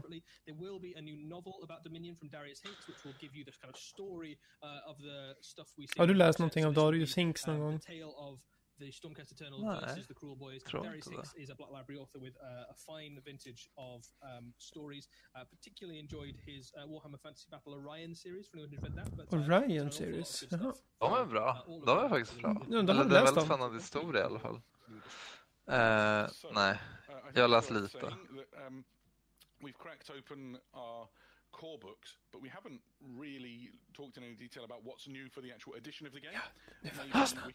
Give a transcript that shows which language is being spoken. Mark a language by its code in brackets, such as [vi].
[en] There will be a new novel about Dominion from Darius Hinks, which will give you this kind of story of the stuff we see. [sv] Har du läst någonting av Darius Hinks någon gång? [en] The Stormcast Eternal versus the Cruel Boys. Darius Hinks is a Black Library author with a fine vintage of stories. Particularly enjoyed his Warhammer Fantasy Battle Orion series, for anyone who's read that. Orion series? [sv] De är bra. De är faktiskt bra. Det är väldigt fanad historia i alla fall. Nej, jag läste lite. [en] We've cracked open our core books, but we haven't really talked in any detail about what's new for the actual edition of the game.